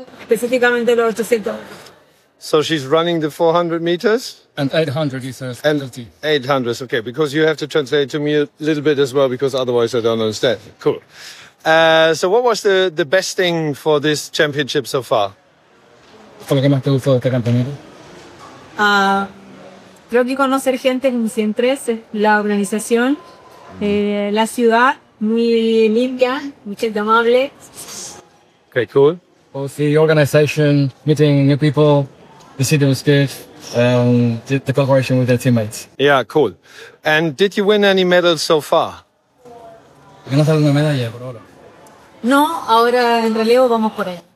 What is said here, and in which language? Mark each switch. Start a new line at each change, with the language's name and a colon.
Spanish: Específicamente los 800.
English: So she's running the 400 meters. And 800, he says. And 800. Okay, because you have to translate to me a little bit as well, because otherwise I don't understand. Cool. So what was the best thing for this championship so far?
Spanish: ¿Fue lo que más te gustó de este campeonato? Creo que conocer gente en 113, la organización, la ciudad, muy limpia, muy amable.
English: Okay, cool. Well, the organization, meeting new people, the city was good, the cooperation with their teammates. Yeah, cool. And did you win any medals so far?
Spanish: No tengo una medalla por ahora. No, ahora en relevo vamos por ahí.